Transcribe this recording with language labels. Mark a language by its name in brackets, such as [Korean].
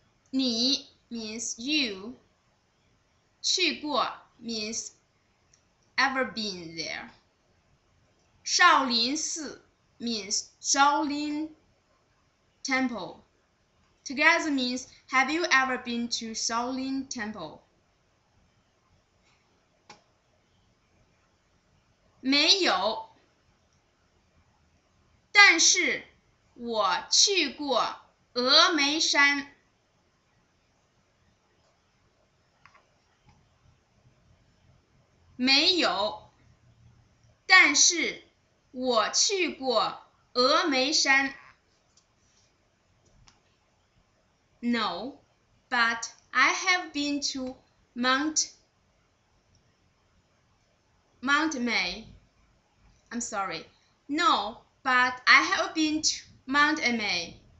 [English] 你 means you. 去过 means ever been there. 少林寺 means Shaolin Temple. Together means have you ever been to Shaolin Temple? [Chinese] 没有，但是我去过峨眉山。没有，但是我去过峨眉山。 [English] No, but I have been to Mount Mei. I'm sorry. No, but I have been to Mount Ma.